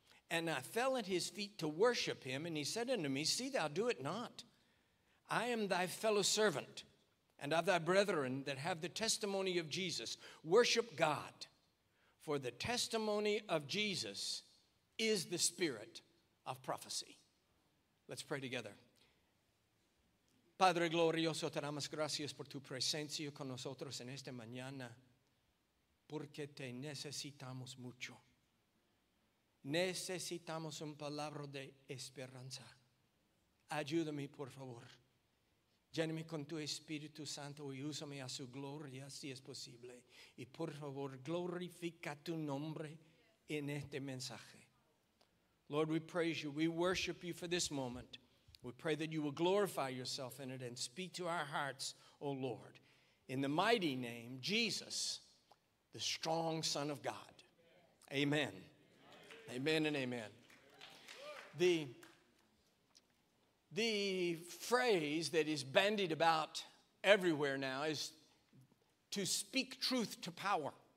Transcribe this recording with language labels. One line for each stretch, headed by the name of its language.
English: And I fell at his feet to worship him. And he said unto me, see thou do it not. I am thy fellow servant, and of thy brethren that have the testimony of Jesus. Worship God, for the testimony of Jesus is the spirit of prophecy. Let's pray together.
Spanish: Padre glorioso, te damos gracias por tu presencia con nosotros en esta mañana, porque te necesitamos mucho. Necesitamos un palabra de esperanza. Ayúdame, por favor. Lléname con tu Espíritu Santo y úsame a su gloria, si es posible. Y por favor, glorifica tu nombre en este mensaje.
English: Lord, we praise you. We worship you for this moment. We pray that you will glorify yourself in it and speak to our hearts, O Lord. In the mighty name, Jesus, the strong Son of God. Amen. Amen and amen. The phrase that is bandied about everywhere now is to speak truth to power.